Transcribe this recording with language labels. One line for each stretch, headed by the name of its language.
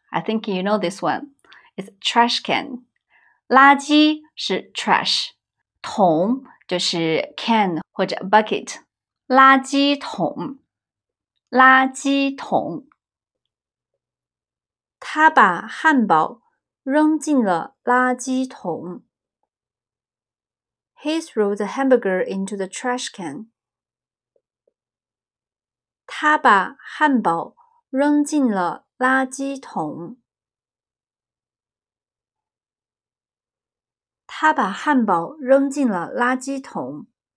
English: I think you know this one. It's trash can. 垃圾是 trash.
Chinese: 桶就是 can 或者 bucket. 垃圾桶。垃圾桶。他把汉堡扔进了垃圾桶。
English: He threw the hamburger into the trash can.
Chinese: 他把汉堡扔进了垃圾桶。他把汉堡扔进了垃圾桶。